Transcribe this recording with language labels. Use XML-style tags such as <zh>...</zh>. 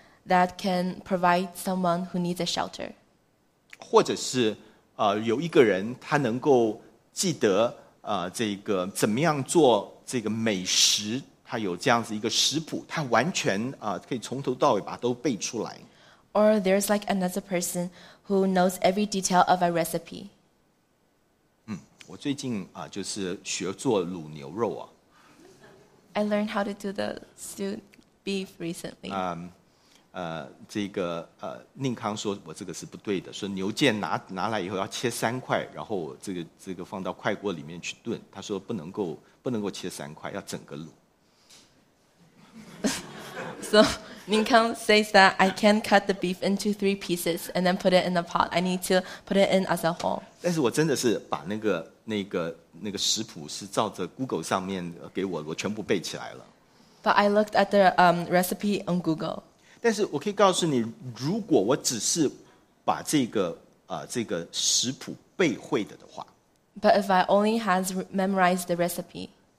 <en>That can provide someone who needs a shelter.</en> <zh>或者是有一个人他能够记得这个怎么样做这个美食，他有这样子一个食谱，他完全可以从头到尾把都背出来。</zh> <en>Or there's like another person who knows every detail of a recipe.</en> <zh>我最近就是学做卤牛肉啊。</zh> <en>I learned how to do the stewed beef recently.</en> <zh>这个宁康说我这个是不对的，说牛腱拿来以后要切三块，然后这个放到快锅里面去炖，他说不能够切三块，要整个卤。</zh> <en>So 宁康 says that I can't cut the beef into three pieces and then put it in the pot, I need to put it in as a whole.</en> <zh>但是我真的是把那个食谱是照着 Google 上面给我全部背起来了。</zh> <en>But I looked at the recipe on Google.</en> <zh>但是我可以告诉你，如果我只是把这个食谱背会的话</zh> <en>，But if I only has memorized the recipe，</en>